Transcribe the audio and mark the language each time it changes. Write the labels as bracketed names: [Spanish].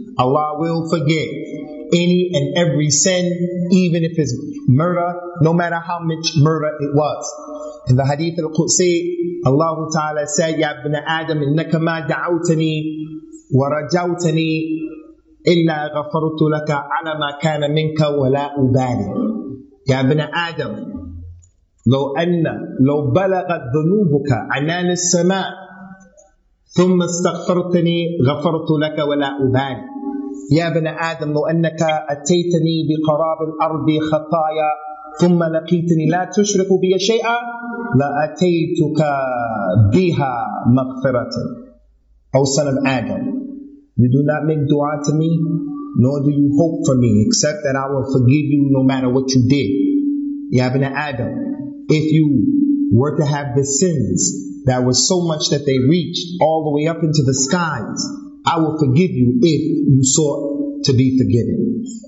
[English] Allah will forgive any and every sin, even if it's murder, no matter how much murder it was. In the hadith al-Qudsi, Allah ta'ala said, [Arabic] Ya ibn Adam, innaka ma da'awtani wa rajawtani إِلَّا غَفَرْتُ لَكَ عَلَى مَا كَانَ مِنْكَ وَلَا أُبَالِي. يا ابن آدم لو أن لو بلغت ذنوبك عنان السماء ثم استغفرتني غفرت لك ولا أبالي. يا ابن آدم لو أنك أتيتني بقراب الأرض خطايا ثم لقيتني لا تشرك بي شيئا لأتيتك بها مغفرة. [English] أو son of Adam, you do not make dua to me, nor do you hope for me, except that I will forgive you no matter what you did. Ya ibn Adam, if you were to have the sins that were so much that they reached all the way up into the skies, I will forgive you if you sought to be forgiven.